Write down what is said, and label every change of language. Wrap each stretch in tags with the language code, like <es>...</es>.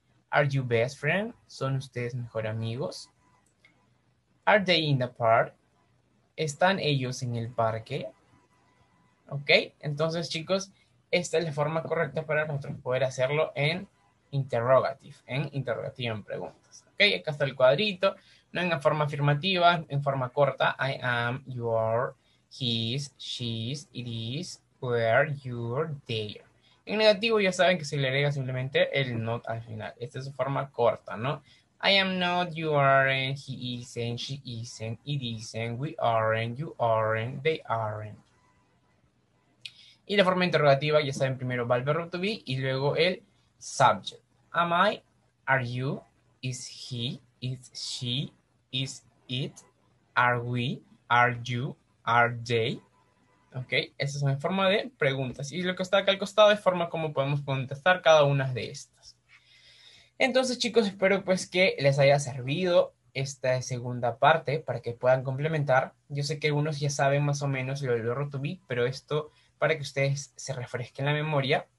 <en>Are you best friend?</en> <es>¿Son ustedes mejor amigos?</es> <en>Are they in the park?</en> <es>¿Están ellos en el parque? ¿Ok? Entonces, chicos, esta es la forma correcta para nosotros poder hacerlo en interrogative, en interrogativo en preguntas. ¿Ok? Acá está el cuadrito, no en la forma afirmativa, en forma corta.</es> <en>I am, you are, his, she's, it is, where, you're, there.</en> <es>En negativo ya saben que se le agrega simplemente el not al final. Esta es su forma corta, ¿no?</es> <en>I am not, you aren't, he isn't, she isn't, it isn't, we aren't, you aren't, they aren't.</en> <es>Y la forma interrogativa, ya saben, primero va el verbo to be y luego el subject.</es> <en>Am I, are you, is he, is she, is it, are we, are you, are they.</en> <es>Ok, esa es una forma de preguntas. Y lo que está acá al costado es forma como podemos contestar cada una de estas. Entonces, chicos, espero pues que les haya servido esta segunda parte para que puedan complementar. Yo sé que algunos ya saben más o menos lo del verbo to be, pero esto para que ustedes se refresquen la memoria.</es>